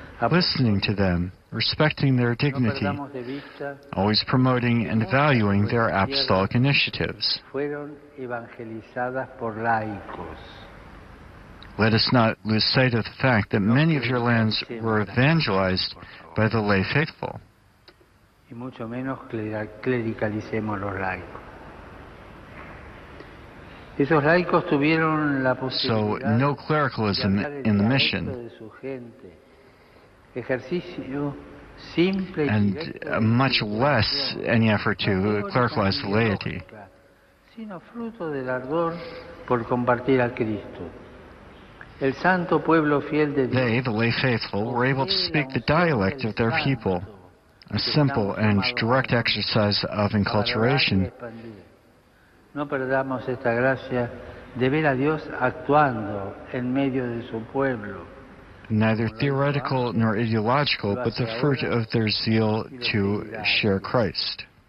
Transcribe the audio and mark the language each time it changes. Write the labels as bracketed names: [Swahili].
[English] Listening to them, respecting their dignity, always promoting and valuing their apostolic initiatives. Let us not lose sight of the fact that many of your lands were evangelized by the lay faithful. [Spanish] Y mucho menos clericalicemos los laicos. Esos laicos tuvieron la posibilidad [English] in the mission. [Spanish] Ejercicio simple [English] and much less any effort to clericalize the laity. [Spanish] Sino fruto del ardor por compartir a Cristo. El santo pueblo fiel de Dios. [English] They, the lay faithful, were able to speak the dialect of their people. A simple and direct exercise of enculturation. [Spanish] No perdamos esta gracia de ver a Dios actuando en medio de su pueblo. [English] Neither theoretical nor ideological, but the fruit of their zeal to share Christ.